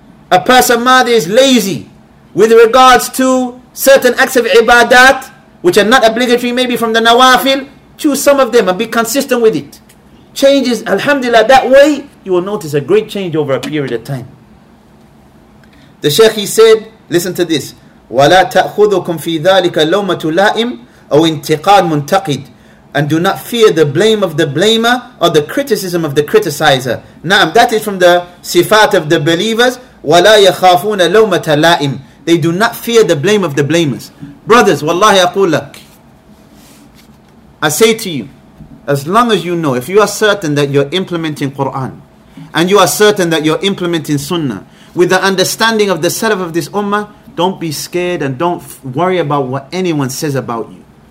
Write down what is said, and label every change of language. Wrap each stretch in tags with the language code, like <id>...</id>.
<en>A person mother is lazy with regards to certain acts of ibadat, which are not obligatory, maybe from the nawafil, choose some of them and be consistent with it. Changes, alhamdulillah, that way, you will notice a great change over a period of time. The Sheikh, he said, listen to this,</en> <ar>وَلَا تَأْخُذُكُمْ فِي ذَلِكَ لَوْمَةُ لَائِمٍ أَوْ إِنْتِقَادٍ مُنْتَقِدٍ.</ar> <en>And do not fear the blame of the blamer or the criticism of the criticizer. Naam, that is from the sifat of the believers.</en> <ar>وَلَا يَخَافُونَ لَوْمَةَ لَائِمٍ.</ar> <en>They do not fear the blame of the blamers. Brothers,</en> <ar>wallahi aqul lak,</ar> <en>I say to you, as long as you know, if you are certain that you're implementing Quran, and you are certain that you're implementing Sunnah, with the understanding of the salaf of this ummah, don't be scared and don't worry about what anyone says about you.</en>